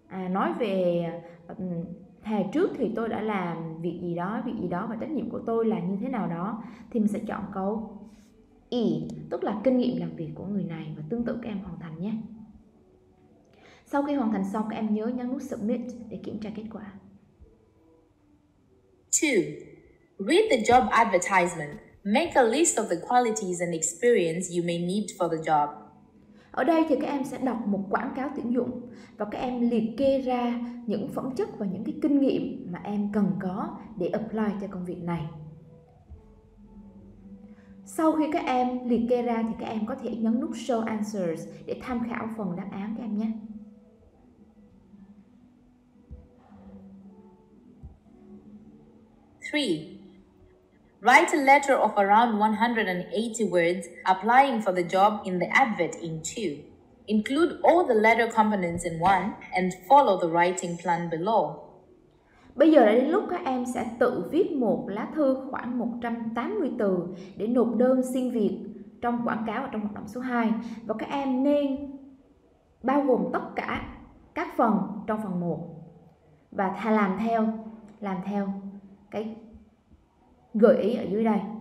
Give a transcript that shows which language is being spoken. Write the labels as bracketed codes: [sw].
[vi] Nói về hè trước thì tôi đã làm việc gì đó và trách nhiệm của tôi là như thế nào đó. Thì mình sẽ chọn câu E, tức là kinh nghiệm làm việc của người này và tương tự các em hoàn thành nhé. Sau khi hoàn thành xong các em nhớ nhấn nút Submit để kiểm tra kết quả. [en] 2. Read the job advertisement. Make a list of the qualities and experience you may need for the job. [vi] Ở đây thì các em sẽ đọc một quảng cáo tuyển dụng và các em liệt kê ra những phẩm chất và những cái kinh nghiệm mà em cần có để apply cho công việc này. Sau khi các em liệt kê ra thì các em có thể nhấn nút Show Answers để tham khảo phần đáp án các em nhé. [en] Three. Write a letter of around 180 words applying for the job in the advert in 2. Include all the letter components in 1 and follow the writing plan below. [vi] Bây giờ đã đến lúc các em sẽ tự viết một lá thư khoảng 180 từ để nộp đơn xin việc trong quảng cáo và trong hoạt động số 2. Và các em nên bao gồm tất cả các phần trong phần 1 và làm theo cái gợi ý ở dưới đây.